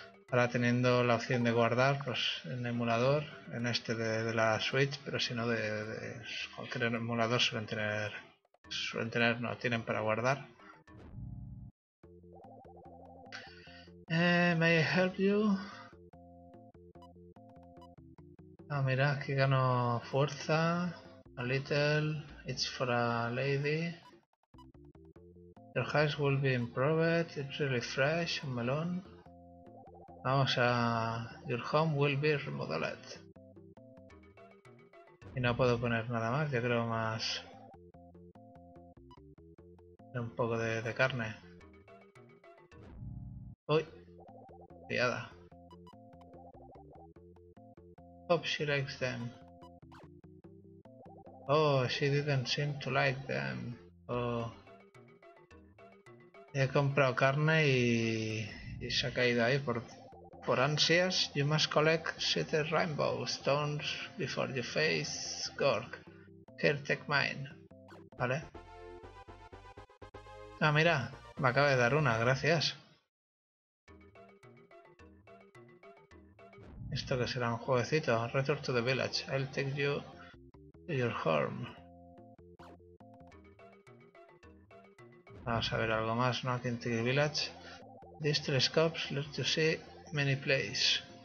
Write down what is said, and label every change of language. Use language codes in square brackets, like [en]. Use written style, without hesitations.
[es] Ahora teniendo la opción de guardar, pues, en emulador. En este de la Switch, pero si no de cualquier emulador suelen tener... Suelen tener, no, tienen para guardar. [en] May I help you? [es] Ah, mira, aquí gano fuerza. [en] A little, it's for a lady. Your house will be improved, it's really fresh, [es] un melón. Vamos a... [en] Your home will be remodeled. [es] Y no puedo poner nada más, yo creo más... Un poco de carne. Uy, liada. [en] Hope she likes them. Oh, she didn't seem to like them. Oh. [es] He comprado carne y se ha caído ahí por ansias. [en] You must collect 7 rainbow stones before you face Gork. Here, take mine. Vale. [es] Ah, mira, me acaba de dar una, gracias. Esto que será un jueguecito. [en] Return to the village. I'll take you. Your home. [es] Vamos a ver algo más, ¿no? Aquí en Tigre Village. [en] These telescopes let you see many places.